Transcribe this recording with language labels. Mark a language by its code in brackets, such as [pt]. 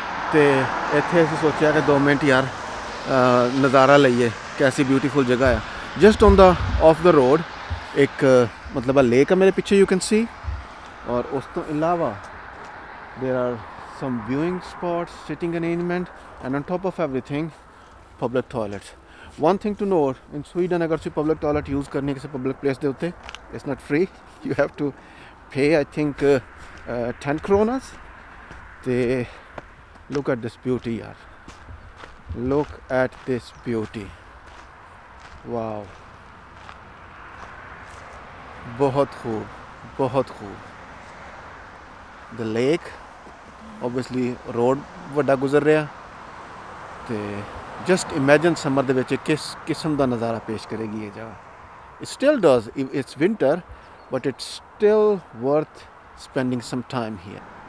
[pa] ਅਤੇ ਇੱਥੇ ਅਸੀਂ ਸੋਚਿਆ ਕਿ 2 ਮਿੰਟ ਯਾਰ ਨਜ਼ਾਰਾ ਲਈਏ, ਕੈਸੀ ਬਿਊਟੀਫੁਲ ਜਗ੍ਹਾ ਆ. [en] just on the off the road [pa] ਇੱਕ ਮਤਲਬ ਆ [en] lake [pa] ਆ ਮੇਰੇ ਪਿੱਛੇ, [en] You can see. [pa] ਔਰ ਉਸ ਤੋਂ ਇਲਾਵਾ [en] There are some viewing spots, sitting arrangement and on top of everything public toilets. One thing to note, in Sweden, [pa] agar si public toilet use karne kisi public place de utte, [en] it's not free. You have to pay, I think, 10 kronas. Te, look at this beauty, yaar. Look at this beauty. Wow. [pa] Bohut khoob, bohut khoob. [en] The lake, obviously, [pa] road vada guzar raha. Te, [en] just imagine [pa] summer ਦੇ ਵਿੱਚ ਕਿਸ ਕਿਸਮ ਦਾ ਨਜ਼ਾਰਾ ਪੇਸ਼ ਕਰੇਗੀ ਇਹ ਜਗ੍ਹਾ. [en] It still does, it's winter but it's still worth spending some time here.